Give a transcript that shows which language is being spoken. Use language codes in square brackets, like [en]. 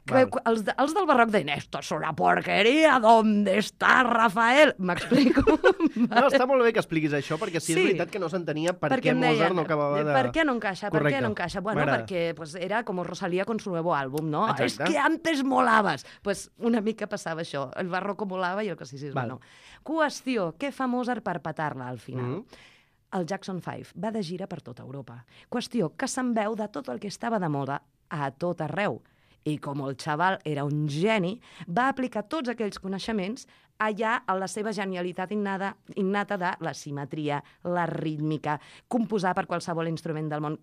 [ca] Que, els del barroc deien, [es] esto es una porquería, ¿dónde está Rafael? [ca] M'explico. No, està molt bé que expliquis això, perquè sí, és veritat que no s'entenia perquè Mozart deia, no acabava de... Per què no encaixa? Correcte. Per què no encaixa? Bueno, perquè pues, era com Rosalía [es] con su nuevo álbum, [ca] no? Exacte. [es] Es que antes molaves. [ca] Pues una mica passava això, el barroco molava i el classicisme no. Qüestió, què fa Mozart per petar-la al final? Mm-hmm. El Jackson 5 va de gira per tota Europa. Qüestió que se'n veu de tot el que estava de moda a tot arreu. I com el xaval era un geni, va aplicar tots aquells coneixements allà a la seva genialitat innata de la simetria, la rítmica, composar per qualsevol instrument del món.